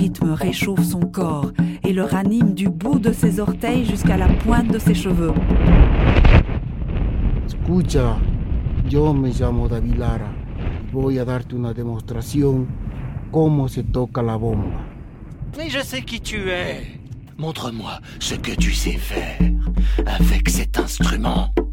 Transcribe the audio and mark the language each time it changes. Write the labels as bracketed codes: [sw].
[fr] Réchauffe son corps et le ranime du bout de ses orteils jusqu'à la pointe de ses cheveux. [es] Escucha, yo me llamo David Lara. Voy a darte una demostración cómo se toca la bomba. [fr] Mais je sais qui tu es. Montre-moi ce que tu sais faire avec cet instrument.